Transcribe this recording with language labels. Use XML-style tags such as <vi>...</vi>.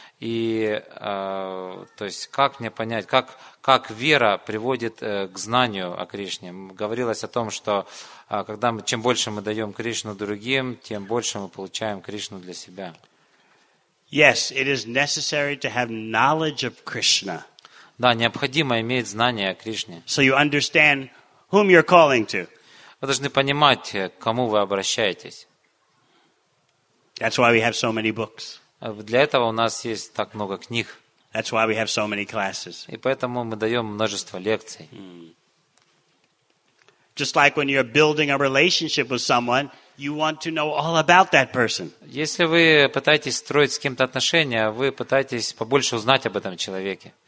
<ru>И то есть, как мне понять, как вера приводит к знанию о Кришне? Говорилось о том, что когда мы, чем больше мы даем Кришну другим, тем больше мы получаем Кришну для себя.</ru> <en>Yes, it is necessary to have knowledge of Krishna.</en> <ru>Да, необходимо иметь знание о Кришне.</ru> <en>So you understand whom you're calling to.</en> <ru>Вы должны понимать, к кому вы обращаетесь.</ru> <en>That's why we have so many books.</en> <ru>Для этого у нас есть так много книг.</ru> <en>That's why we have so many classes.</en> <ru>И поэтому мы даем множество лекций. Mm.</ru> <en>Just like when you're building a relationship with someone, you want to know all about that person.</en> <ru>Если вы пытаетесь строить с кем-то отношения, вы пытаетесь побольше узнать об этом человеке.</ru>